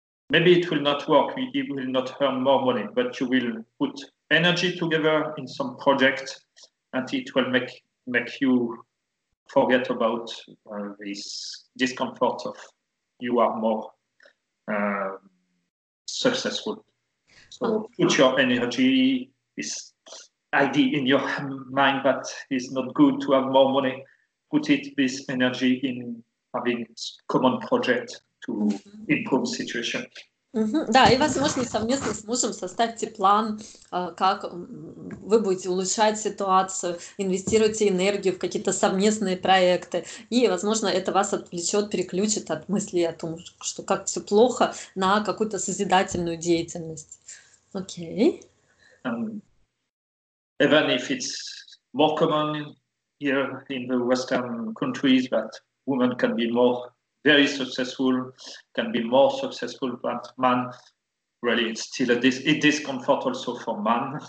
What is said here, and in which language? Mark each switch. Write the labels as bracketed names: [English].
[English] Maybe it will not work, he will not earn more money, but you will put energy together in some project and it will make you forget about this discomfort of you are more successful. So put your energy, this idea in your mind that it's not good to have more money, put it, this energy in having common project to improve situation. [Russian] Да, и, возможно, совместно с мужем составьте план, как вы будете улучшать ситуацию, инвестируйте энергию в какие-то совместные проекты. И, возможно, это вас отвлечет, переключит от мысли о том, что как все плохо, на какую-то созидательную деятельность. [English] Okay. Even if it's more common here in the Western countries, but women can be more very successful, can be more successful than men. really, it's still a discomfort also for men.